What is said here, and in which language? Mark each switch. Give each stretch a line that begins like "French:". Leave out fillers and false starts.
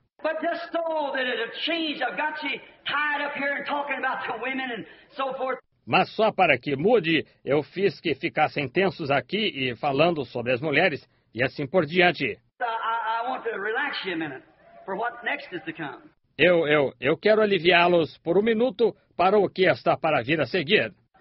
English: But this stole that it changed. I've got you tied up here and talking about the women and so forth.
Portuguese: Mas só para que mude, eu fiz que ficassem tensos aqui e falando sobre as mulheres e assim por diante.
English: I want to relax you a minute for what next is to come.
Portuguese: Eu quero aliviá-los por um minuto para o que está para vir a seguir.